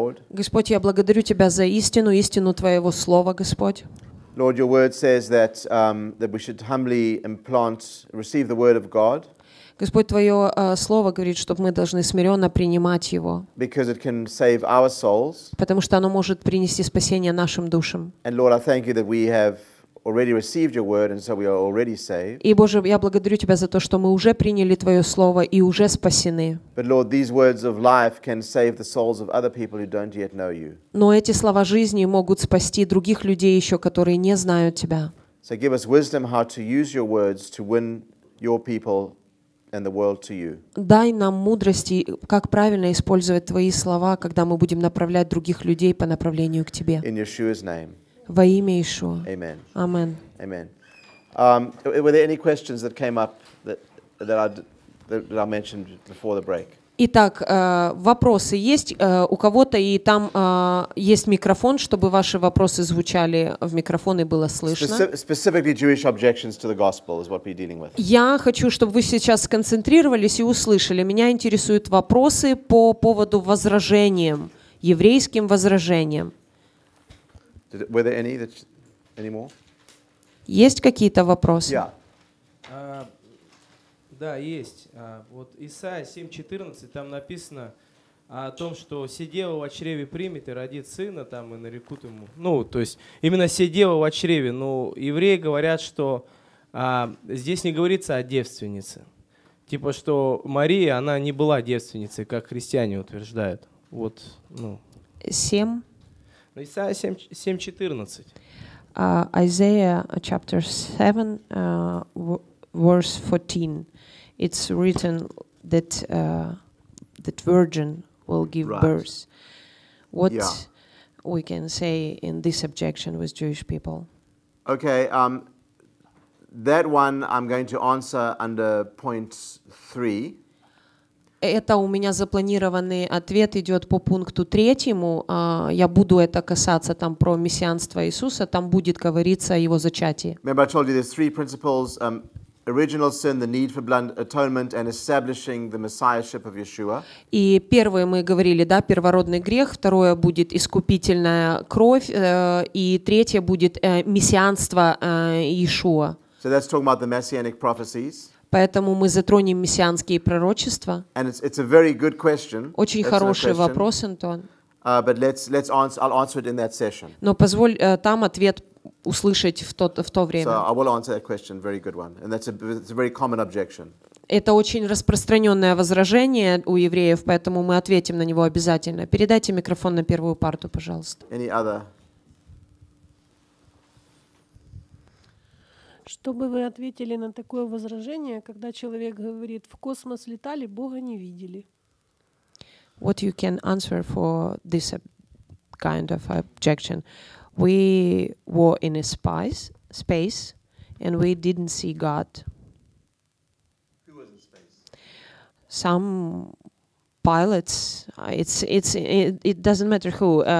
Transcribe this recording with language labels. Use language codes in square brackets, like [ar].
[ru] Господь, я благодарю Тебя за истину, истину Твоего Слова, Господь. [en] Lord, Your Word says that that we should humbly implant, receive the Word of God. [ru] Господь, Твое Слово говорит, чтобы мы должны смиренно принимать Его. [en] Because it can save our souls. [ru] Потому что оно может принести спасение нашим душам. [en] And Lord, I thank You that we have already received Your Word, and so we are already saved. [ru] И Боже, я благодарю Тебя за то, что мы уже приняли Твое Слово и уже спасены. [en] But Lord, these words of life can save the souls of other people who don't yet know You. [ru] Но эти слова жизни могут спасти других людей еще, которые не знают Тебя. [en] So give us wisdom how to use Your words to win Your people. And the world to you. [ru] Дай нам мудрости, как правильно использовать твои слова, когда мы будем направлять других людей по направлению к тебе. [en] In Yeshua's name. [ru] Во имя Иешуа. [en] Amen. Amen. Amen. Were there any questions that came up that I mentioned before the break? [ru] Итак, вопросы есть у кого-то, и там есть микрофон, чтобы ваши вопросы звучали в микрофон и было слышно. [en] Specifically Jewish objections to the gospel is what we're dealing with. [ru] Я хочу, чтобы вы сейчас сконцентрировались и услышали. Меня интересуют вопросы по поводу возражениям, еврейским возражениям. [en] Were there any that any more? [ru] Есть какие-то вопросы? [en] Yeah. [ru] Да, есть. Вот Исаия 7:14, там написано о том, что сидела в чреве примет и родит сына, там и нарекут ему. Ну, то есть именно сидела в чреве. Но евреи говорят, что здесь не говорится о девственнице. Типа, что Мария, она не была девственницей, как христиане утверждают. Вот, ну. 7? Исаия 7:14. [en] Isaiah chapter 7, verse 14. It's written that that virgin will give birth. What we can say in this objection with Jewish people? Okay, that one I'm going to answer under point 3. [ru] Это у меня запланированный ответ идет по пункту третьему. Я буду это касаться там про мессианство Иисуса. Там будет говориться о его зачатии. [en] Remember, I told you there's three principles. Original sin, the need for blood atonement, and establishing the messiahship of Yeshua. [ru] И первое мы говорили, да, первородный грех. Второе будет искупительная кровь, и третье будет мессианство Иешуа. [en] So that's talking about the messianic prophecies. [ru] Поэтому мы затронем мессианские пророчества. [en] And it's a very good question. [ru] Очень [en] it's [ru] хороший вопрос, Антон. [en] But let's answer. I'll answer it in that session. [ru] Но позволь там ответ. Услышать в то время. [en] So I will answer that question. Very good one, and that's a very common objection. [ru] Это очень распространенное возражение у евреев, поэтому мы ответим на него обязательно. Передайте микрофон на первую парту, пожалуйста. [en] Any other? [ru] Чтобы вы ответили на такое возражение, когда человек говорит, в космос летали, Бога не видели. [en] What you can answer for this kind of objection? We were in a space, and we didn't see God. Who was in space? Some pilots. It doesn't matter who.